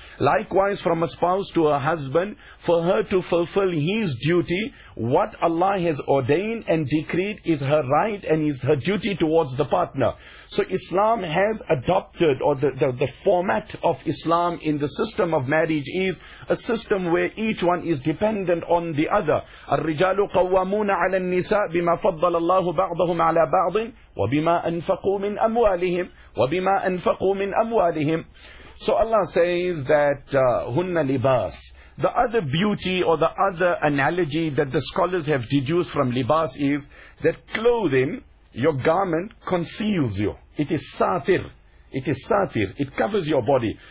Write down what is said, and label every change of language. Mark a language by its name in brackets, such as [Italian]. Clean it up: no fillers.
[English] Likewise, from a spouse to a husband, for her to fulfill his duty, what Allah has ordained and decreed is her right and is her duty towards the partner. So Islam has adopted, or the format of Islam in the system of marriage marriage is a system where each one is dependent on the other. [Arabic] الرجال قوامون على النساء بما فضل الله بعضهم على بعض وبما أنفقوا من أموالهم وبما أنفقوا من أموالهم. [English] So Allah says that هن لباس. The other beauty or the other analogy that the scholars have deduced from libas is that clothing, your garment, conceals you. It is satir. It is satir. It covers your body.